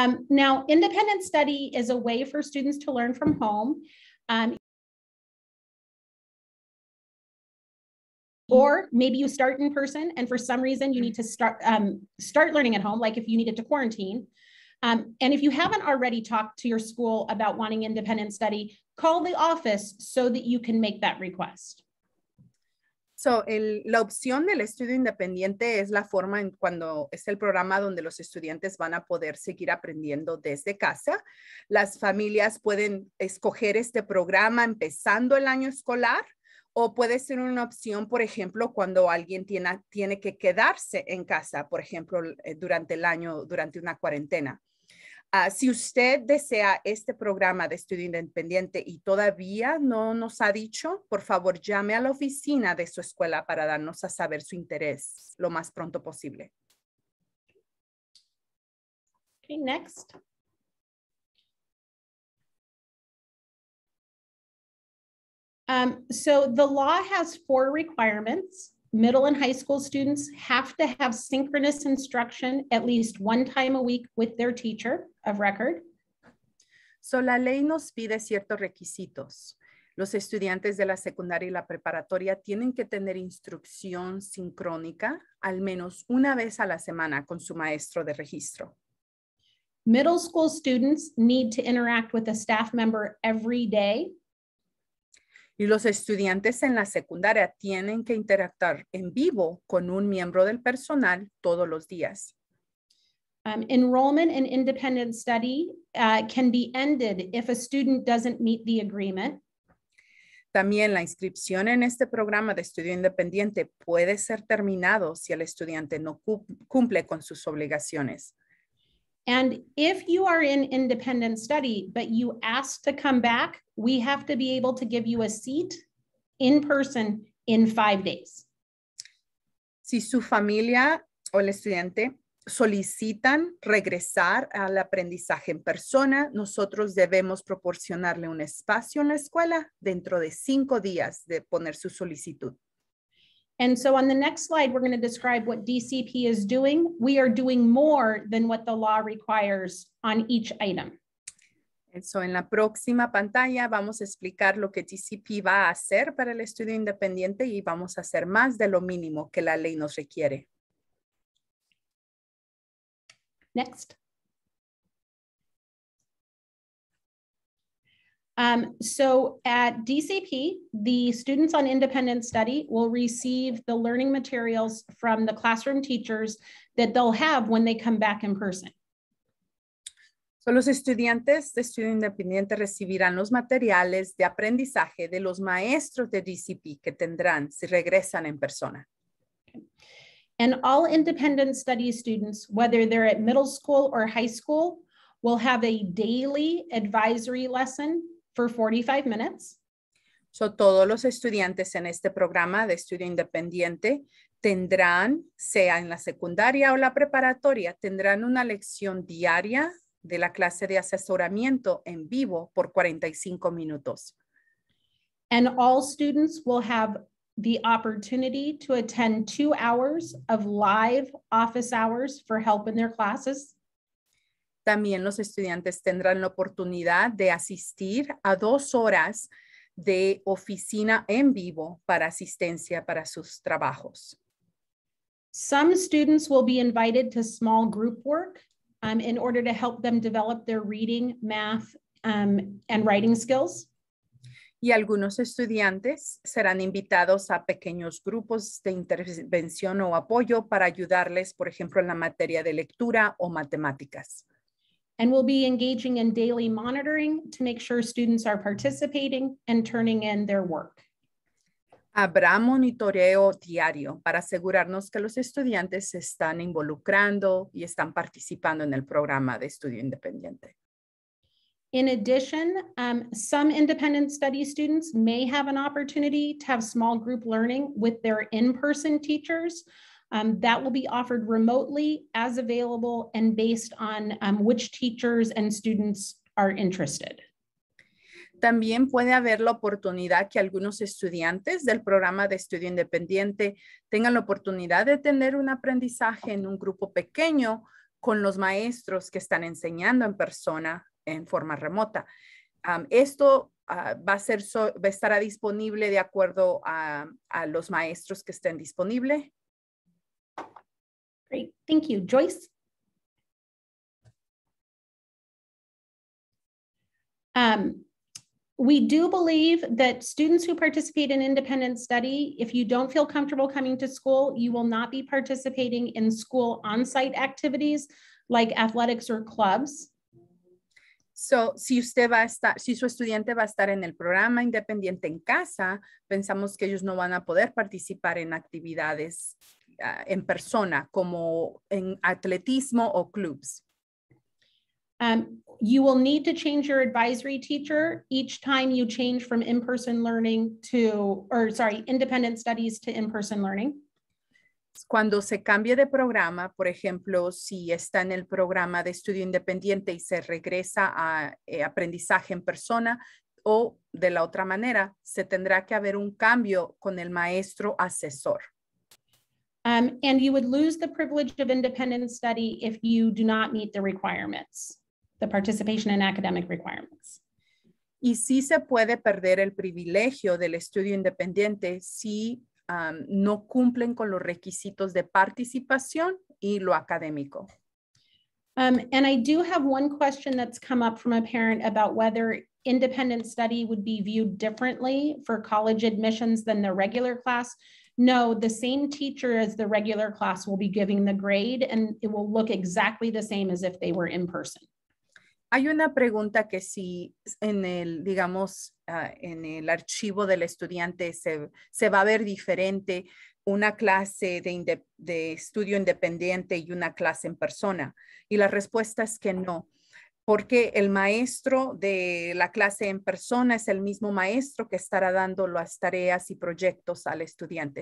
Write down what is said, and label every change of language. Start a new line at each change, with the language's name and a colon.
English: Now, independent study is a way for students to learn from home or maybe you start in person and for some reason you need to start learning at home, like if you needed to quarantine. And if you haven't already talked to your school about wanting independent study, call the office so that you can make that request.
Spanish: So, la opción del estudio independiente es la forma en cuando es el programa donde los estudiantes van a poder seguir aprendiendo desde casa. Las familias pueden escoger este programa empezando el año escolar o puede ser una opción, por ejemplo, cuando alguien tiene que quedarse en casa, por ejemplo, durante el año, durante una cuarentena. Si usted desea este programa de estudio independiente y todavía no nos ha dicho, por favor llame a la oficina de su escuela para darnos a saber su interés lo más pronto posible.
English: Okay, next. So the law has four requirements. Middle and high school students have to have synchronous instruction at least one time a week with their teacher of record.
Spanish: So la ley nos pide ciertos requisitos. Los estudiantes de la secundaria y la preparatoria tienen que tener instrucción sincrónica al menos una vez a la semana con su maestro de registro.
English: Middle school students need to interact with a staff member every day.
Spanish: Y los estudiantes en la secundaria tienen que interactuar en vivo con un miembro del personal todos los días.
English: Enrollment in independent study can be ended if a student doesn't meet the agreement.
Spanish: También la inscripción en este programa de estudio independiente puede ser terminado si el estudiante no cumple con sus obligaciones.
English: And if you are in independent study, but you ask to come back, we have to be able to give you a seat in person in 5 days.
Spanish: Si su familia o el estudiante solicitan regresar al aprendizaje en persona, nosotros debemos proporcionarle un espacio en la escuela dentro de 5 días de poner su solicitud.
English: And so on the next slide, we're going to describe what DCP is doing. We are doing more than what the law requires on each item. And so
Spanish: en la próxima pantalla, vamos a explicar lo que DCP va a hacer para el estudio independiente y vamos a hacer más de lo mínimo que la ley nos requiere.
English: Next. So at DCP, the students on independent study will receive the learning materials from the classroom teachers that they'll have when they come back in person.
Spanish: So los estudiantes de estudio independiente recibirán los materiales de aprendizaje de los maestros de DCP que tendrán si regresan en persona.
English: And all independent study students, whether they're at middle school or high school, will have a daily advisory lesson for 45 minutes.
Spanish: So todos los estudiantes en este programa de estudio independiente tendrán, sea en la secundaria o la preparatoria, tendrán una lección diaria de la clase de asesoramiento en vivo por 45 minutos.
English: And all students will have the opportunity to attend 2 hours of live office hours for help in their classes.
Spanish: También los estudiantes tendrán la oportunidad de asistir a 2 horas de oficina en vivo para asistencia para sus trabajos.
English: Some students will be invited to small group work in order to help them develop their reading, math, and writing skills.
Spanish: Y algunos estudiantes serán invitados a pequeños grupos de intervención o apoyo para ayudarles, por ejemplo, en la materia de lectura o matemáticas.
English: And we'll be engaging in daily monitoring to make sure students are participating and turning in their work.
Spanish: Habrá monitoreo diario para asegurarnos que los estudiantes se están involucrando y están participando en el programa de estudio independiente.
English: In addition, some independent study students may have an opportunity to have small group learning with their in-person teachers. That will be offered remotely as available and based on which teachers and students are interested.
Spanish: También puede haber la oportunidad que algunos estudiantes del programa de estudio independiente tengan la oportunidad de tener un aprendizaje en un grupo pequeño con los maestros que están enseñando en persona en forma remota. Esto estará disponible de acuerdo a los maestros que estén disponibles.
English: Great, thank you. Joyce? We do believe that students who participate in independent study, if you don't feel comfortable coming to school, you will not be participating in school on-site activities like athletics or clubs.
Spanish: So, si su estudiante va a estar en el programa independiente en casa, pensamos que ellos no van a poder participar en actividades en persona, como en atletismo o clubs.
English: You will need to change your advisory teacher each time you change from in-person learning to, or sorry, independent studies to in-person learning.
Spanish: Cuando se cambie de programa, por ejemplo, si está en el programa de estudio independiente y se regresa a aprendizaje en persona, o de la otra manera, se tendrá que haber un cambio con el maestro asesor.
English: And you would lose the privilege of independent study if you do not meet the requirements. The participation in academic requirements.
Spanish: Y sí se puede perder el privilegio del estudio independiente si no cumplen con los requisitos de participación y lo académico.
English: And I do have one question that's come up from a parent about whether independent study would be viewed differently for college admissions than the regular class. No, the same teacher as the regular class will be giving the grade and it will look exactly the same as if they were in person.
Spanish: Hay una pregunta que si en el, digamos, en el archivo del estudiante se va a ver diferente una clase de estudio independiente y una clase en persona. Y la respuesta es que no, porque el maestro de la clase en persona es el mismo maestro que estará dando las tareas y proyectos al estudiante.